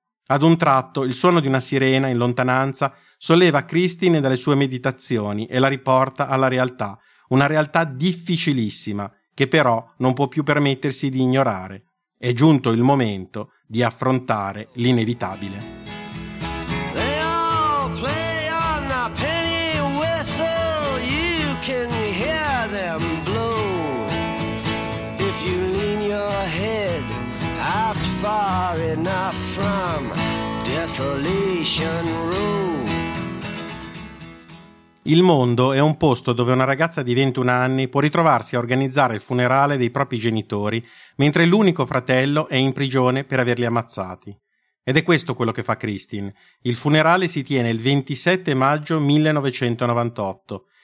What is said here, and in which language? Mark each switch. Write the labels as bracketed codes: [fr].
[it] Ad un tratto il suono di una sirena in lontananza solleva Christine dalle sue meditazioni e la riporta alla realtà, una realtà difficilissima che però non può più permettersi di ignorare. È giunto il momento di affrontare l'inevitabile. [en] They all play on the penny whistle, you can hear them blow. If you lean your head out far enough from Desolation Row. [it] Il mondo è un posto dove una ragazza di 21 anni può ritrovarsi a organizzare il funerale dei propri genitori, mentre l'unico fratello è in prigione per averli ammazzati. Ed è questo quello che fa Christine. Il funerale si tiene il 27 maggio 1998.